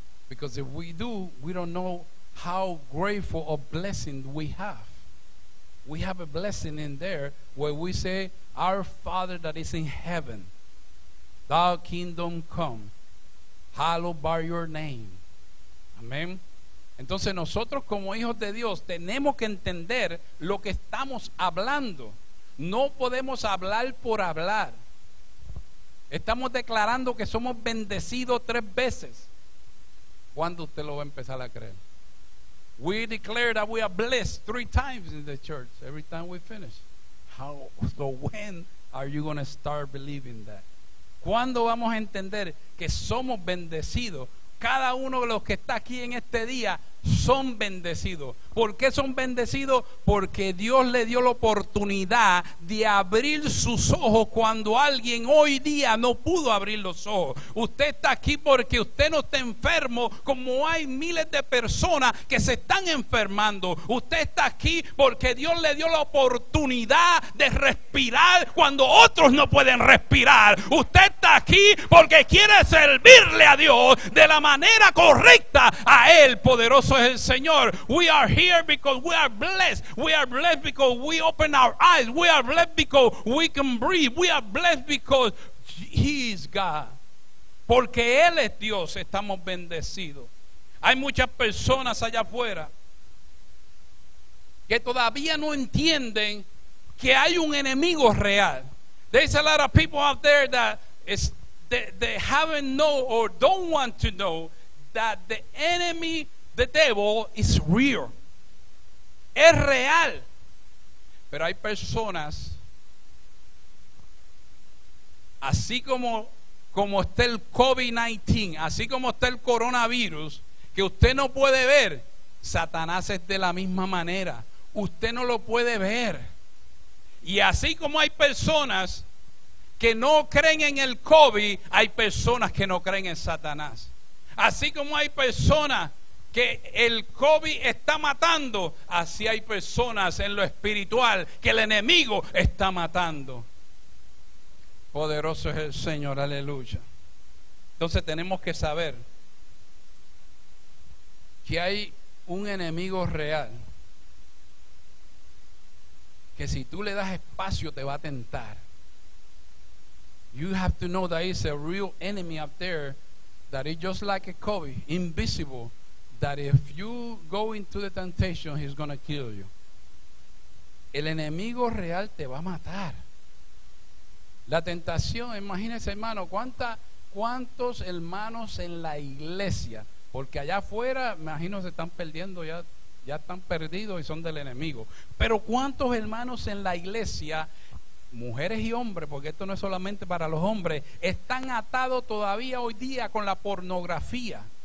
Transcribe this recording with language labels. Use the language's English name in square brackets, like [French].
[English] Because if we do, we don't know how grateful a blessing we have. We have a blessing in there where we say, Our Father that is in heaven, Thy kingdom come, hallowed by your name. [Spanish] Amén. Entonces nosotros como hijos de Dios tenemos que entender lo que estamos hablando. No podemos hablar por hablar. Estamos declarando que somos bendecidos tres veces. ¿Cuándo usted lo va a empezar a creer? [English] We declare that we are blessed three times in the church every time we finish. So when are you going to start believing that? [Spanish] ¿Cuándo vamos a entender que somos bendecidos? Cada uno de los que está aquí en este día son bendecidos. ¿Por qué son bendecidos? Porque Dios le dio la oportunidad de abrir sus ojos cuando alguien hoy día no pudo abrir los ojos. Usted está aquí porque usted no está enfermo como hay miles de personas que se están enfermando. Usted está aquí porque Dios le dio la oportunidad de respirar cuando otros no pueden respirar. Usted está aquí porque quiere servirle a Dios de la manera correcta. A Él poderoso es el Señor. [English] We are here because we are blessed. We are blessed because we open our eyes. We are blessed because we can breathe. We are blessed because He is God. [Spanish] Porque Él es Dios, estamos bendecidos. Hay muchas personas allá afuera que todavía no entienden que hay un enemigo real. [English] There's a lot of people out there that is they haven't know or don't want to know that the enemy, the devil, is real. [Spanish] Es real. Pero hay personas, así como está el COVID-19, así como está el coronavirus, que usted no puede ver, Satanás es de la misma manera. Usted no lo puede ver. Y así como hay personas que no creen en el COVID, hay personas que no creen en Satanás. Así como hay personas que el COVID está matando, así hay personas en lo espiritual que el enemigo está matando. Poderoso es el Señor, aleluya. Entonces tenemos que saber que hay un enemigo real, que si tú le das espacio te va a tentar. [English] You have to know that is a real enemy up there that is just like a COVID, invisible, that if you go into the temptation, he's going to kill you. [Spanish] El enemigo real te va a matar. La tentación, imagínese, hermano, ¿cuántos hermanos en la iglesia? Porque allá afuera, imagino, se están perdiendo, ya están perdidos y son del enemigo. Pero ¿cuántos hermanos en la iglesia, mujeres y hombres, porque esto no es solamente para los hombres, están atados todavía hoy día con la pornografía?